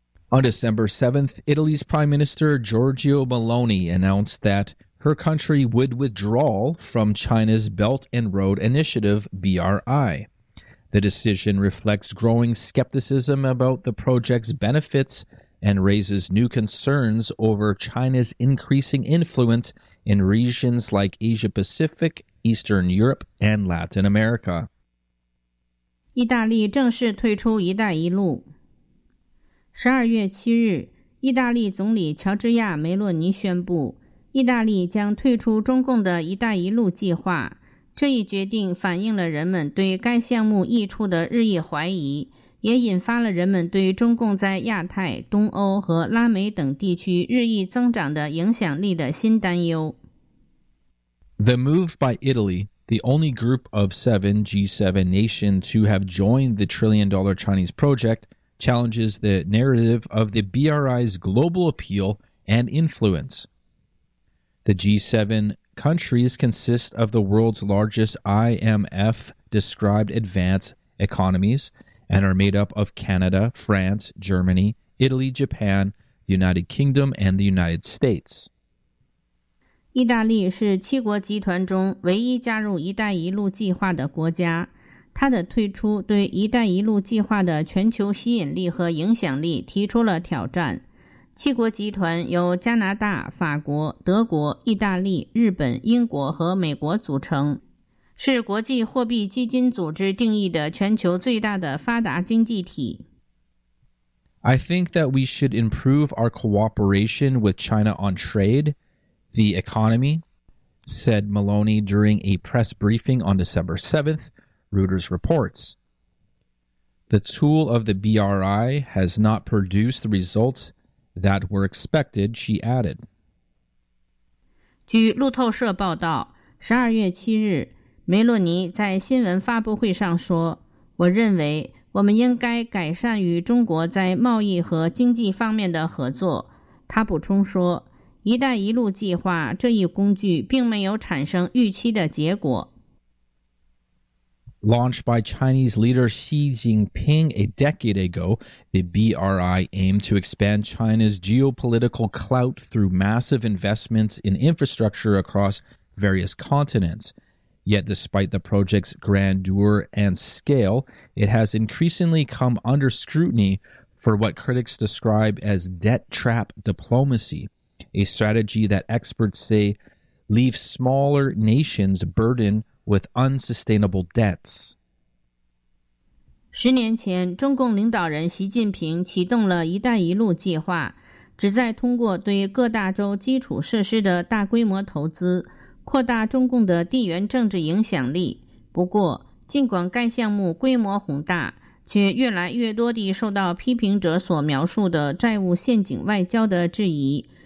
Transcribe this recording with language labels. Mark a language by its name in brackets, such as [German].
[English] On December 7th, Italy's Prime Minister Giorgio Meloni announced that her country would withdraw from China's Belt and Road Initiative, BRI. The decision reflects growing skepticism about the project's benefits and raises new concerns over China's increasing influence in regions like Asia-Pacific, Eastern Europe, and Latin America. [Chinese] 意大利正式退出一带一路。12月7日，意大利总理乔治亚·梅洛尼宣布，意大利将退出中共的一带一路计划。这一决定反映了人们对该项目益处的日益怀疑，也引发了人们对中共在亚太、东欧和拉美等地区日益增长的影响力的新担忧。 [English] The move by Italy, the only group of seven G7 nations who have joined the trillion-dollar Chinese project,challenges the narrative of the BRI's global appeal and influence. The G7 countries consist of the world's largest IMF-described advanced economies and are made up of Canada, France, Germany, Italy, Japan, the United Kingdom, and the United States. [Chinese] 意大利是七国集团中唯一加入一带一路计划的国家。它的退出对一带一路计划的全球吸引力和影响力提出了挑战。七国集团由加拿大、法国、德国、意大利、日本、英国和美国组成，是国际货币基金组织定义的全球最大的发达经济体。 [English] I think that we should improve our cooperation with China on trade, the economy, said Meloni during a press briefing on December 7th. Reuters reports. The tool of the BRI has not produced the results that were expected, she added. [Chinese] 据路透社报道，12月7日，梅洛尼在新闻发布会上说，我认为我们应该改善与中国在贸易和经济方面的合作。他补充说，一带一路计划这一工具并没有产生预期的结果。 [English] Launched by Chinese leader Xi Jinping a decade ago, the BRI aimed to expand China's geopolitical clout through massive investments in infrastructure across various continents. Yet despite the project's grandeur and scale, it has increasingly come under scrutiny for what critics describe as debt trap diplomacy, a strategy that experts say leaves smaller nations burdened with unsustainable debts. [Chinese] 十年前，中共领导人习近平启动了一带一路计划，旨在通过对各大洲基础设施的大规模投资，扩大中共的地缘政治影响力。不过，尽管该项目规模宏大，却越来越多地受到批评者所描述的债务陷阱外交的质疑。